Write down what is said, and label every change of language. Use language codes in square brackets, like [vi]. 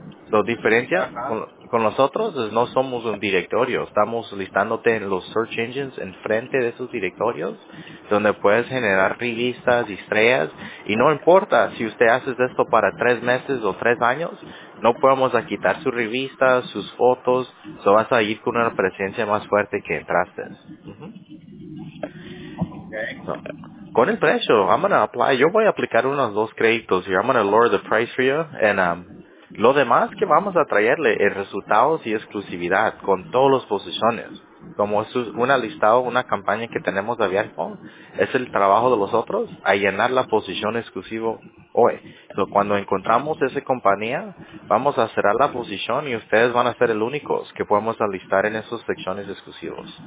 [es] La diferencia con nosotros es no somos un directorio, estamos listándote en los search engines en frente de esos directorios, donde puedes generar revistas y estrellas, y no importa si usted hace esto para 3 meses o 3 años, no podemos quitar sus revistas, sus fotos, so vas a ir con una presencia más fuerte que entraste. [en] Okay. So, [es] con el precio, [en] I'm going to apply. [es] Yo voy a aplicar unos 2 créditos [en] here. I'm going to lower the price for you. And [es] Lo demás que vamos a traerle es resultados y exclusividad con todas las posiciones. Como es una lista o una campaña que tenemos de iPhone, es el trabajo de los otros a llenar la posición exclusiva hoy. So, cuando encontramos esa compañía, vamos a cerrar la posición y ustedes van a ser los únicos que podemos alistar en esas secciones exclusivas.